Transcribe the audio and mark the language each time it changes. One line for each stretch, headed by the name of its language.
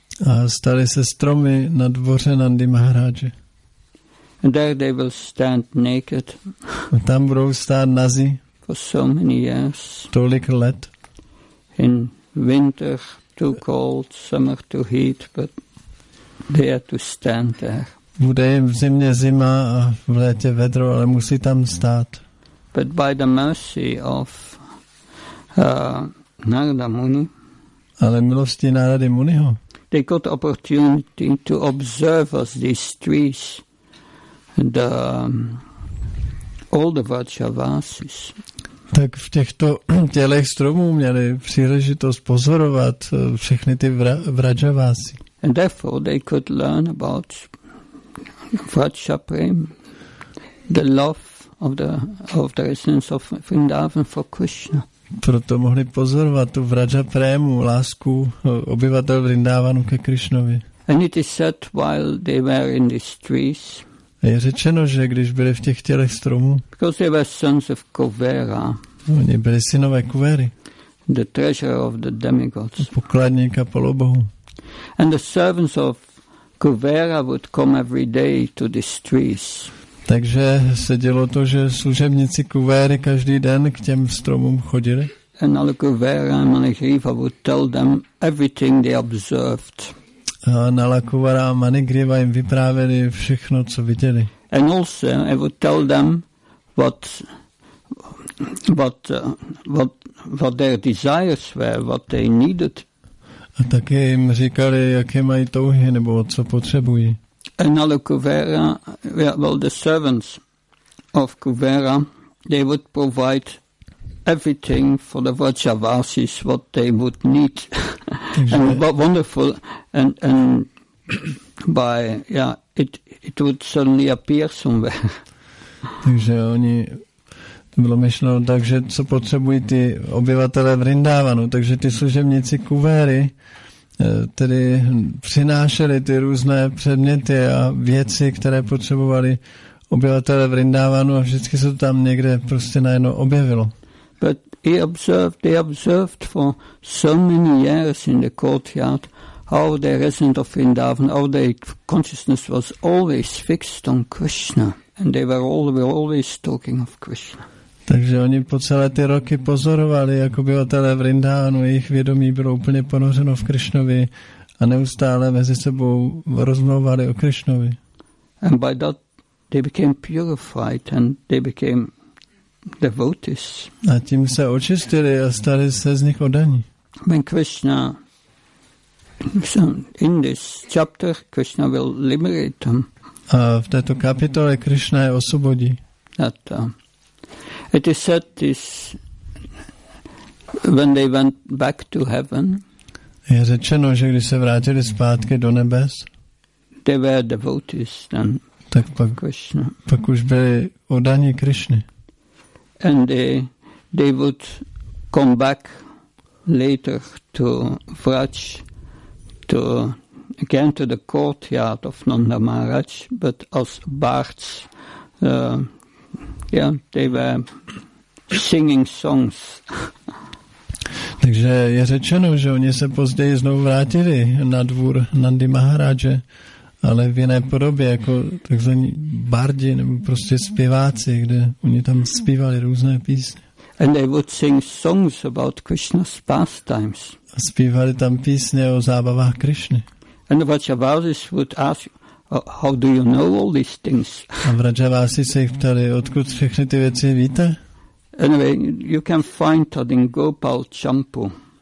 Czech: A stali se stromy na dvoře Nandy Maharaje.
English: And there they will stand naked.
Czech: A tam budou stát nazi.
English: For so many years.
Czech: Tolik let.
English: In winter too cold, summer too heat, but they have to stand there.
Czech: Bude jim v zimě zima a v létě vedro, ale musí tam stát.
English: But by the mercy of Narada Muni.
Czech: Ale milosti Narady Muniho.
English: They got the opportunity to observe us these trees. The all the Vajravasis.
Czech: Tak v těchto tělech stromů měli příležitost pozorovat všechny ty Vajravasi.
English: And therefore they could learn about Vajra Prem, the love of the residents of Vrindavan for Krishna.
Czech: Proto mohli pozorovat tu Vraja Prému, lásku obyvatel Vrindávanu ke Krišnovi.
English: And it is said while they were in these trees.
Czech: Je řečeno, že když byli v těch tělech stromů.
English: Because they were sons of Kuvera.
Czech: Oni byli synové Kuvery.
English: The treasure of the demigods.
Czech: Pokladníka polobohu.
English: And the servants of Kuvera would come every day to these trees.
Czech: Takže se dělo to, že služebníci Kuvery každý den k těm stromům chodili.
English: And Nalakuvara and Manigriva would tell them everything they observed.
Czech: A Nalakuvara a Manigriva jim vyprávěli všechno, co viděli.
English: And also I would tell them what their desires were, what they needed.
Czech: A taky jim říkali, jaké mají touhy nebo co potřebují.
English: And Nalakuvara, well, the servants of Kuvera, they would provide everything for the Vrajavasis, what they would need. And what wonderful, and by, yeah, it would suddenly appear somewhere.
Czech: Takže oni, to bylo myšleno tak, že co potřebují ty obyvatele Vrindávanu, takže ty služebníci Kuvery, tedy přinášeli ty různé předměty a věci, které potřebovali obyvatele Vrindávanu a vždycky se to tam někde prostě najednou objevilo.
English: But they observed for so many years in the courtyard how the resident of Vrindavan, how their consciousness was always fixed on Krishna and they were always talking of Krishna.
Czech: Takže oni po celé ty roky pozorovali, jak obyvatelé Vrindávanu, jejich vědomí bylo úplně ponořeno v Krišnovi a neustále mezi sebou rozmlouvali o Krišnovi.
English: And by that they became purified and they became devotees.
Czech: A tím se očistili a stali se z nich oddaní.
English: When Krishna, so in this chapter, Krishna will liberate them.
Czech: A v této kapitole Krišna je osvobodí.
English: It is said this when they went back to heaven.
Czech: Je řečeno, že když se vrátili zpátky do nebes,
English: they were devotees then.
Czech: Tak pak Krishna. Pak už byli oddaní Krishna.
English: And they would come back later to Vraj, to again to the courtyard of Nanda Maharaj, but as bards. Yeah, they were singing songs.
Czech: Takže je řečeno, že oni se později znovu vrátili na dvůr Nandy Maharaje, ale v jiné podobě, jako takzvaní bardi, nebo prostě zpěváci, kde oni tam zpívali různé písně.
English: And they would sing songs about Krishna's pastimes.
Czech: A zpívali tam písně o zábavách Krishny.
English: And the Vajravasis would ask, how do you know all these things?
Czech: A Vrajavasi se jich ptali, odkud všechny ty věci víte?
English: Anyway, you can find that in Gopal Champu.